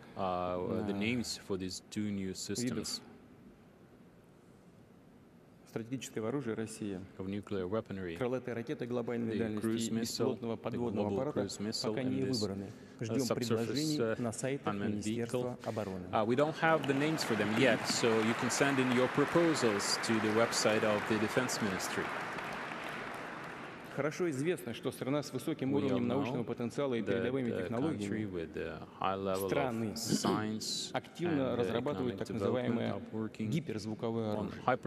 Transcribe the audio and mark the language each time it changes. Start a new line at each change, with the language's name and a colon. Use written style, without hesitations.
Russian: видов стратегического оружия России, крылатая ракета глобальной дальности и беспилотного подводного аппарата пока не выбраны. Ждем предложений на сайте Министерства обороны.
English: We don't have the names for them yet, so you can send in your proposals to the website of the Defense Ministry.
Russian: Хорошо известно, что страна с высоким уровнем научного потенциала и передовыми технологиями, страны, активно разрабатывают так называемое гиперзвуковое оружие.